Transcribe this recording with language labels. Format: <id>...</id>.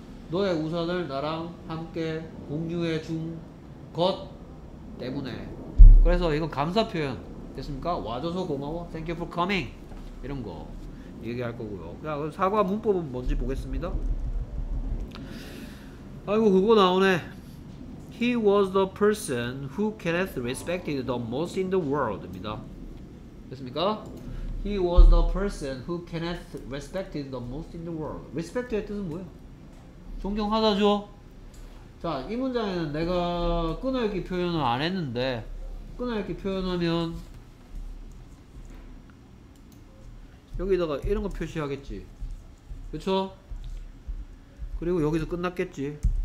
<ko>너의 우산을 나랑 함께 공유해 준 것 때문에. 그래서 이건 감사 표현. 됐습니까? 와줘서 고마워.</ko> <en>Thank you for coming.</en> <ko>이런 거 얘기할 거고요. 자, 그럼 사과 문법은 뭔지 보겠습니다. 아이고 그거 나오네.</ko> <en>He was the person who Kenneth respected the most in the world입니다.</en> <ko>됐습니까?</ko> <en>He was the person who Kenneth respected the most in the world.</en> <ko>Respect의 뜻은 뭐예요? 존경하다죠. 자, 이 문장에는 내가 끊어읽기 표현을 안 했는데 끊어읽기 표현하면 여기다가 이런 거 표시하겠지. 그쵸? 그리고 여기서 끝났겠지.</ko>